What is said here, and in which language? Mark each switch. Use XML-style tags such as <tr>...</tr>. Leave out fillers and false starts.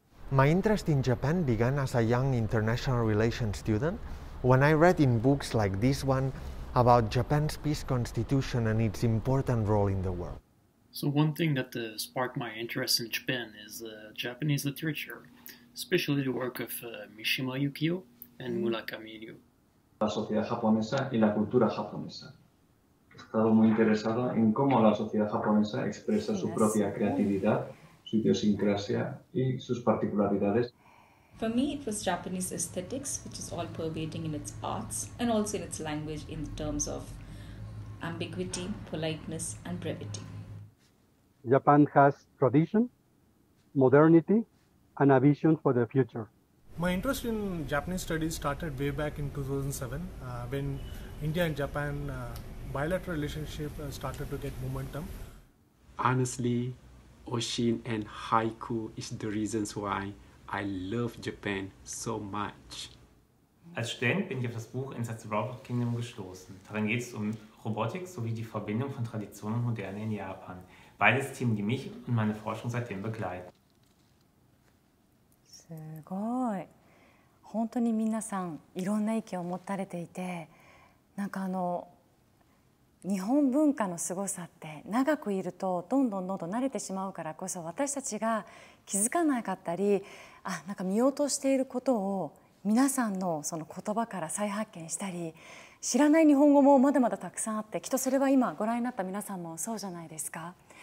<en>My interest in Japan began as a young international relations student when I read in books like this one about Japan's peace constitution and its important role in the world. So one thing that sparked my interest in Japan is Japanese literature, especially the work of Mishima Yukio and Murakami Ryu.</en> <es>La sociedad japonesa y la cultura japonesa. He estado muy interesado en cómo la sociedad japonesa expresa su propia creatividad, su idiosincrasia y sus particularidades.</es> <en>For me, it was Japanese aesthetics, which is all pervading in its arts and also in its language in terms of ambiguity, politeness and brevity. Japan has tradition, modernity and a vision for the future. My interest in Japanese studies started way back in 2007 when India and Japan bilateral relationship started to get momentum. Honestly, ocean and haiku is the reasons why I love Japan so much.</en> <de>Als Student bin ich auf das Buch Inside the Robot Kingdom gestoßen. Darin geht es um Robotik sowie die Verbindung von Tradition und Moderne in Japan. Beides Themen, die mich und meine Forschung seitdem begleiten.</de> <ja>すごい。本当に皆さんいろんな意見を持たれていて、なんか日本文化のすごさって長くいるとどんどんどんどん慣れてしまうからこそ、私たちが気づかなかったり、あ、なんか見落としていることを皆さんのその言葉から再発見したり、知らない日本語もまだまだたくさんあって、きっとそれは今ご覧になった皆さんもそうじゃないですか。</ja>